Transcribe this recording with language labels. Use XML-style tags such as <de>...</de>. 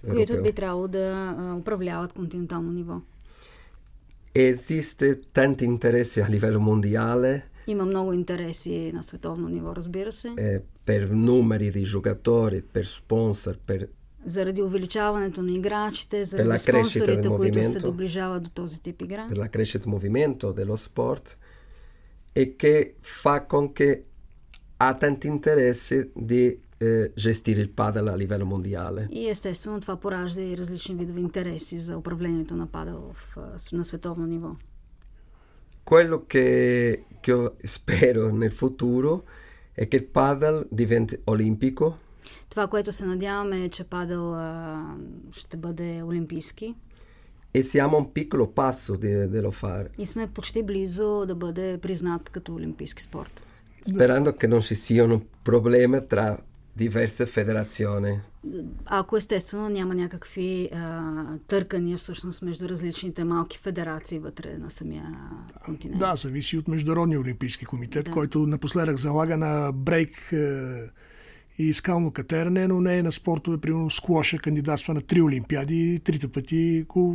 <bg>Които би трябвало да управляват континентално ниво.</bg> <it>Esiste tanti interessi a livello mondiale.</it> <bg>Има много интереси на световно ниво, разбира се.</bg> <it>Per numeri di giocatori, per sponsor, per</it> <bg>заради увеличаването на играчите, заради спонсорите, които се доближават до този тип игра.</bg> <it>Per la crescita del movimento dello sport e che fa con che ha tanti interessi di gestire il padel a livello mondiale.</it> <bg>И естествено това поражда и различни видове интереси за управлението на падел на световно ниво.</bg> <it>Quello che io spero nel futuro è che il padel diventi olimpico.</it> <bg>Това, което се надяваме, е, че падел ще бъде олимпийски.</bg> <it>E siamo un piccolo passo di lo fare.</it> <bg>И сме почти близо да бъде признат като олимпийски спорт.</bg> <it>Sperando che non ci siano problemi tra diverse federazioni.</it> <bg>Ако естествено няма някакви търкания всъщност между различните малки федерации вътре на самия континент. Да, зависи от Международния олимпийски комитет, да, който напоследък залага на брейк и скално катерене, но не е на спортове, примерно сквоша, кандидатства на три олимпиади и трите пъти.</bg>